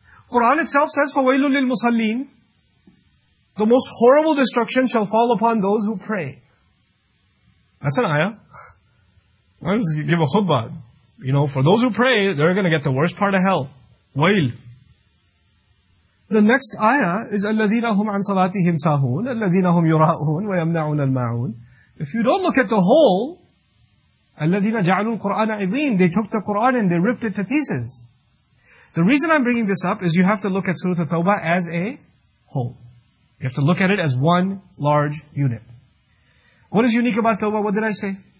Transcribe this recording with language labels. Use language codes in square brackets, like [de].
[en] Quran itself says, [ar] فَوَيْلُ لِلْمُصَلِّينَ. [en] The most horrible destruction shall fall upon those who pray. That's an ayah. Why don't you give a khutbah? You know, for those who pray, they're going to get the worst part of hell. Wail. The next ayah is [ar] الَّذِينَ هُمْ عَنْ صَلَاتِهِمْ سَاهُونَ الَّذِينَ هُمْ يُرَاءُونَ وَيَمْنَعُونَ الْمَعُونَ. [en] If you don't look at the whole, [ar] الَّذِينَ جَعَلُوا الْقُرْآنَ عِظِينَ. [en] They took the Quran and they ripped it to pieces. The reason I'm bringing this up is you have to look at Surah At-Tawbah as a whole. You have to look at it as one large unit. What is unique about Tawbah? What did I say?